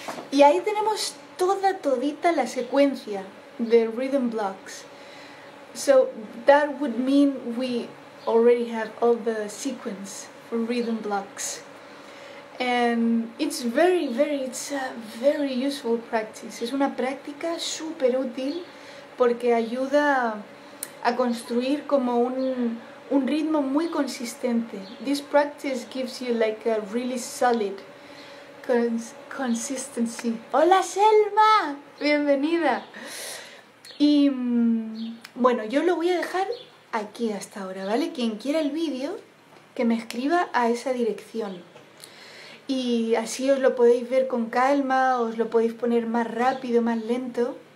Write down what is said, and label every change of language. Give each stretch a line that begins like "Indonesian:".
Spanish: Y ahí tenemos toda todita la secuencia de rhythm blocks.
English: So that would mean we already have all the sequence for rhythm blocks. And it's it's a very useful practice.
Spanish: Es una práctica súper útil porque ayuda a construir como un ritmo muy consistente.
English: This practice gives you like a really solid consistency.
Spanish: ¡Hola, Selma! ¡Bienvenida! Y bueno, yo lo voy a dejar aquí hasta ahora, ¿vale? Quien quiera el vídeo, que me escriba a esa dirección. Y así os lo podéis ver con calma, os lo podéis poner más rápido, más lento.